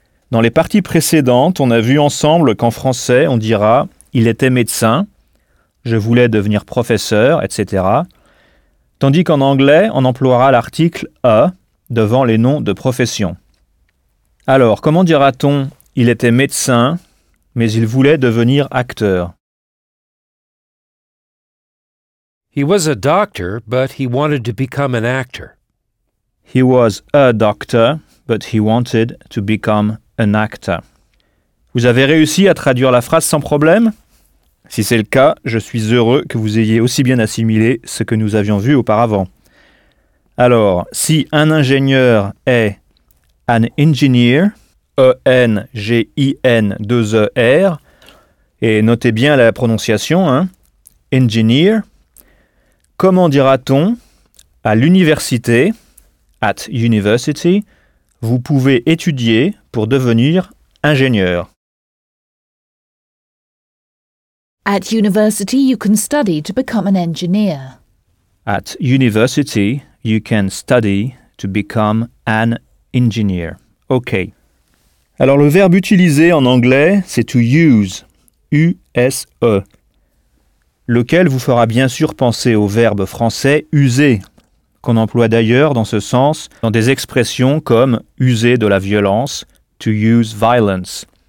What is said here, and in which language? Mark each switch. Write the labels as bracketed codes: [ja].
[fr] Dans les parties précédentes, on a vu ensemble qu'en français, on dira « il était médecin », « je voulais devenir professeur », etc. Tandis qu'en anglais, on emploiera l'article « a » devant les noms de profession. Alors, comment dira-t-on « il était médecin, mais il voulait devenir acteur » ? [en] He was a doctor, but he wanted to become an actor. He was a doctor, but he wanted to become an actor. [fr] Vous avez réussi à traduire la phrase sans problème? Si c'est le cas, je suis heureux que vous ayez aussi bien assimilé ce que nous avions vu auparavant. Alors, si un ingénieur est an engineer, E-N-G-I-N-2-E-R, et notez bien la prononciation, hein, engineer, comment dira-t-on à l'université, [en] at university, [fr] vous pouvez étudier pour devenir ingénieur? [en] At university, you can study to become an engineer. At university, you can study to become an engineer. OK. [fr] Alors, le verbe utilisé en anglais, c'est to use, U-S-E, lequel vous fera bien sûr penser au verbe français user, qu'on emploie d'ailleurs dans ce sens dans des expressions comme user de la violence, [en] to use violence.